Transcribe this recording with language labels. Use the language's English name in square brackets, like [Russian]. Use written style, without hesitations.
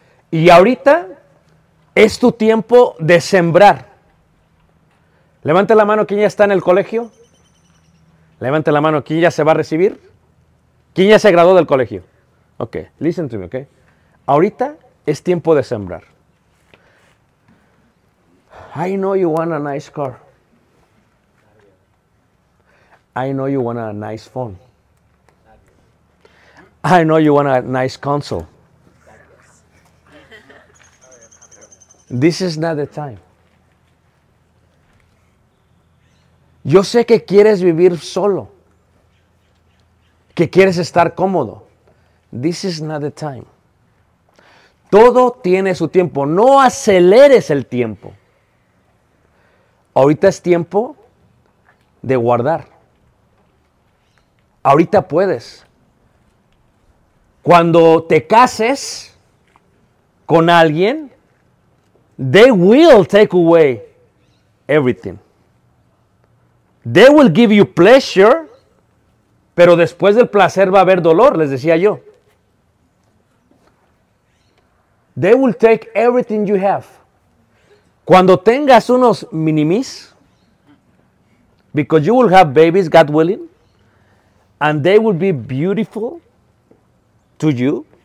[Spanish] Y ahorita es tu tiempo de sembrar. Levante la mano quien ya está en el colegio. Levante la mano quien ya se va a recibir. ¿Quién ya se graduó del colegio? [English] Ok, listen to me, ok. [Spanish] Ahorita es tiempo de sembrar. [English] I know you want a nice car. I know you want a nice phone. I know you want a nice console. This is not the time. [Spanish] Yo sé que quieres vivir solo. Que quieres estar cómodo. [English] This is not the time. [Spanish] Todo tiene su tiempo. No aceleres el tiempo. Ahorita es tiempo de guardar. Ahorita puedes. Cuando te cases con alguien, [English] they will take away everything. They will give you pleasure. [Spanish] Pero después del placer va a haber dolor, les decía yo. [English] They will take everything you have. [Spanish] Cuando tengas unos minimis, [English] because you will have babies, God willing, and they will be beautiful to you.